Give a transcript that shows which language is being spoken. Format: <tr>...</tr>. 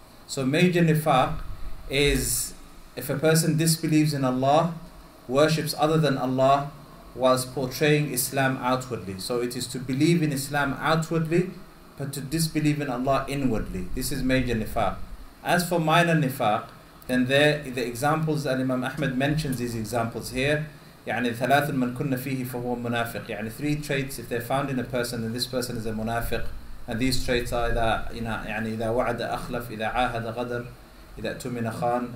<en>So major nifaq is if a person disbelieves in Allah, worships other than Allah, whilst portraying Islam outwardly. So it is to believe in Islam outwardly, but to disbelieve in Allah inwardly. This is major nifaq. As for minor nifaq, then there the examples that Imam Ahmed mentions, these examples here.</en> <ar>يعني ثلاث من كنا فيه فهو منافق.</ar> <en>يعني three traits, if they're found in a person, then this person is a munafiq. And these traits are</en> <ar>إذا وعد أخلف, إذا عاهد غدر, إذا تمن خان.</ar>